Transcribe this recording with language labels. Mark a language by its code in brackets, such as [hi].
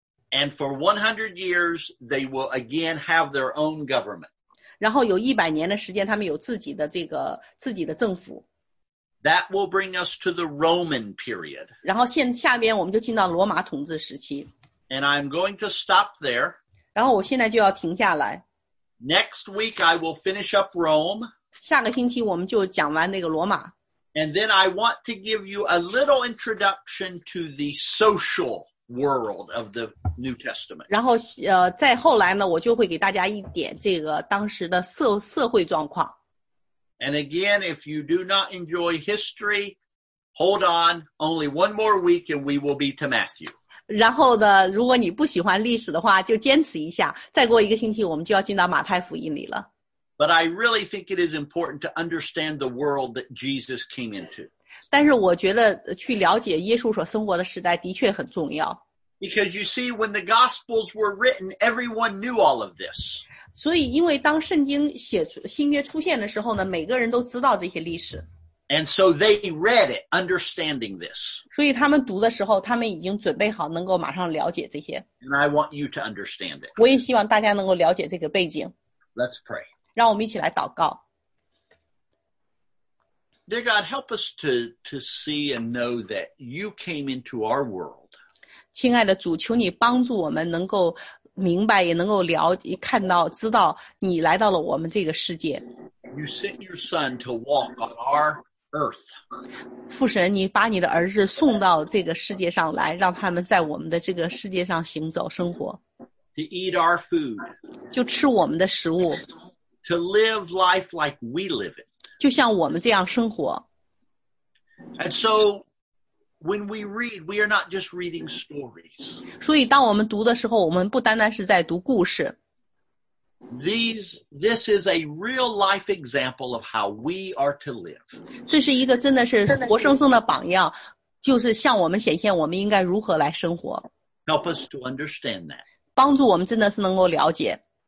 [en] And for 100 years, they will again have their own government. [zh] 然后有100年的时间，他们有自己的政府。 [en] That will bring us to the Roman period. [zh] 然后下面我们就进到罗马统治时期。 [en] And I'm going to stop there. [zh] 然后我现在就要停下来。 [en] Next week, I will finish up Rome. [zh] 下个星期我们就讲完那个罗马。 [en] And then I want to give you a little introduction to the social world of the New Testament. [zh] 然后再后来呢，我就会给大家一点这个当时的社会状况。 [en] And again, if you do not enjoy history, hold on, only one more week and we will be to Matthew. [zh] 然后呢，如果你不喜欢历史的话，就坚持一下，再过一个星期我们就要进到马太福音里了。 [en] But I really think it is important to understand the world that Jesus came into. [zh] 但是我觉得去了解耶稣所生活的时代的确很重要。 [en] Because you see, when the Gospels were written, everyone knew all of this. [zh] 所以因为当圣经写新约出现的时候呢，每个人都知道这些历史。 [en] And so they read it, understanding this. [zh] 所以他们读的时候，他们已经准备好能够马上了解这些。 [en] And I want you to understand it. [zh] 我也希望大家能够了解这个背景。 [en] Let's pray. [zh] 让我们一起来祷告。 [en] Dear God, help us to see and know that you came into our world. [zh] 亲爱的主，求你帮助我们能够明白，也能够了解，看到，知道你来到了我们这个世界。 [en] You sent your son to walk on our earth. [zh] 父神，你把你的儿子送到这个世界上来，让他们在我们的这个世界上行走生活。 [en] To eat our food. [zh] 就吃我们的食物。 [en] To live life like we live it. [zh] 就像我们这样生活。 [en] And so, when we read, we are not just reading stories. [zh] 所以当我们读的时候，我们不单单是在读故事。 [en] This is a real life example of how we are to live. [zh] 这是一个真的是活生生的榜样，就是向我们显现我们应该如何来生活。 [en] Help us to understand that. [zh] 帮助我们真的是能够了解。